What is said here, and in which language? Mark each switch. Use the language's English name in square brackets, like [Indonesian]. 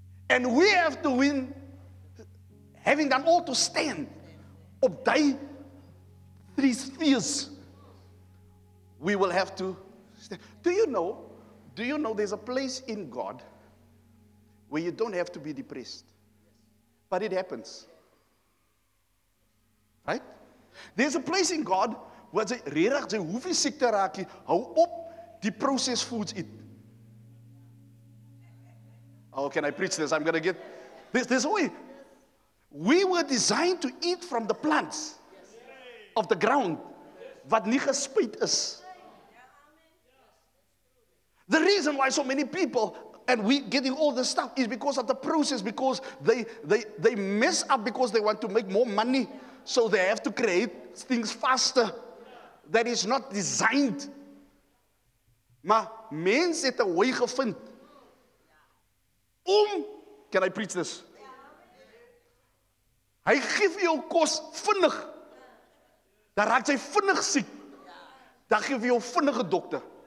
[English] And we have to win, having done all to stand [Afrikaans] op die [English] three spheres. We will have to stand. Do you know there's a place in God where you don't have to be depressed? But it happens. Right? There's a place in God where [Afrikaans] jy regtig jy hoef nie siek te raak nie. Hou op die [English] processed foods eat. Oh, can I preach this? I'm going to get this way. We were designed to eat from the plants of the ground [Afrikaans] wat nie gespuit is. [English] The reason why so many people and we getting all this stuff is because of the process, because they mess up because they want to make more money. So they have to create things faster that is not designed. [Afrikaans] Maar mens het 'n weg gevind. [English] Can I preach this? [Afrikaans] Hy gee vir jou kos vinnig. Dan raak jy vinnig siek. Dan gee vir jou vinnige dokter.